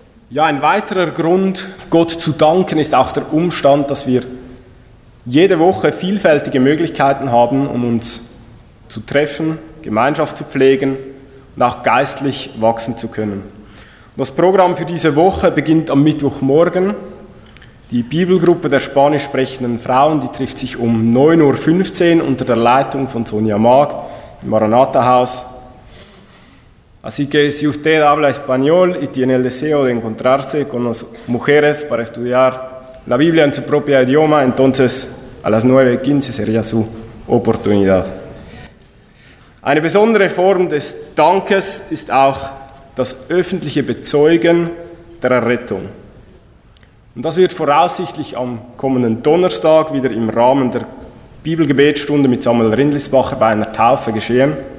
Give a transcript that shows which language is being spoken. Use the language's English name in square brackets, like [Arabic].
[German] Ja, ein weiterer Grund, Gott zu danken, ist auch der Umstand, dass wir jede Woche vielfältige Möglichkeiten haben, um uns zu treffen, Gemeinschaft zu pflegen und auch geistlich wachsen zu können. Und das Programm für diese Woche beginnt am Mittwochmorgen. Die Bibelgruppe der spanisch sprechenden Frauen, die trifft sich um 9.15 Uhr unter der Leitung von Sonia Mag im Maranatha-Haus. [Spanish] Así que si usted habla español y tiene el deseo de encontrarse con las mujeres para estudiar la Biblia en su propio idioma, entonces a las 9.15 sería su oportunidad. [German] Eine besondere Form des Dankes ist auch das öffentliche Bezeugen der Errettung. Und das wird voraussichtlich am kommenden Donnerstag wieder im Rahmen der Bibelgebetsstunde mit Samuel Rindlisbacher bei einer Taufe geschehen.